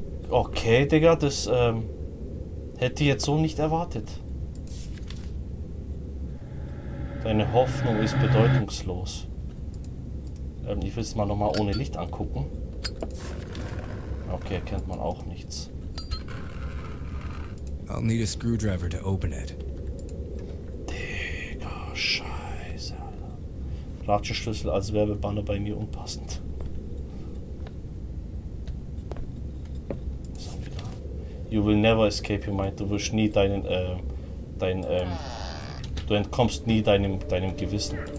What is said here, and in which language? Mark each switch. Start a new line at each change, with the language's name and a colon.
German: Okay, Digga, das hätte ich jetzt so nicht erwartet. Deine Hoffnung ist bedeutungslos. Ich will es mal nochmal ohne Licht angucken. Okay, erkennt man auch nichts.
English: I'll need a screwdriver to open it.
German: Digga, Scheiße, Alter. Ratschenschlüssel als Werbebanner bei mir unpassend. Was haben wir da?
English: You will never escape your mind.
German: Du wirst nie deinen, du entkommst nie deinem Gewissen.